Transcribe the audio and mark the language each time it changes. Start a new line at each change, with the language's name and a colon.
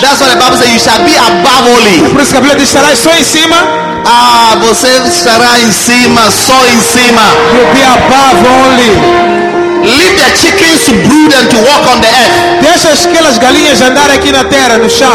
English: That's why the Bible says you shall be above only.
Portuguese: Por isso que a Bíblia diz estarás só em cima. Ah, você estará em cima, só em cima.
English: You'll be above only. Leave the chickens to brood and to walk on the earth.
Portuguese: Deixa aquelas galinhas andar aqui na terra, no chão.